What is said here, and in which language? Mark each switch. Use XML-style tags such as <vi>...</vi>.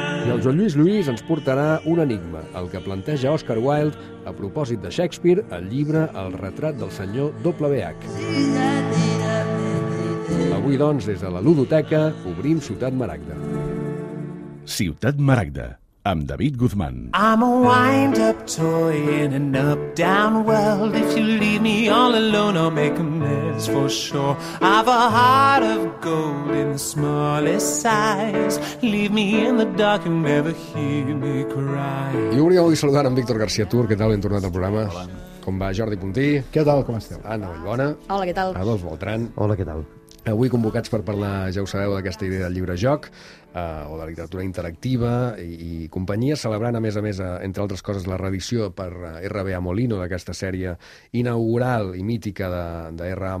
<ca>El Joan Lluís Lluís ens portarà un enigma, el que planteja Oscar Wilde a propòsit de Shakespeare, el llibre El retrat del senyor W.H. Avui, doncs, des de la ludoteca, obrim Ciutat Maragda. Ciutat Maragda, amb David Guzmán.</ca> <en>I'm a wind-up toy in an up-down world. If you leave me all alone, I'll make a mess for sure. I've a heart of gold in the smallest size. Leave me in the dark and never hear me cry.</en> <ca>I obria avui saludant en Víctor García Tur. Què tal? Ben tornat al programa. Hola. Com va, Jordi Puntí? Què tal? Com esteu? Anna Vallbona. Hola, què tal? Adolf Beltrán. Hola, què tal? Avui convocats per parlar, ja ho sabeu, d'aquesta idea del llibre-joc, o de literatura interactiva i companyia, celebrant, a més, entre altres coses, la reedició per RBA Molino d'aquesta sèrie inaugural i mítica de R.A.</ca>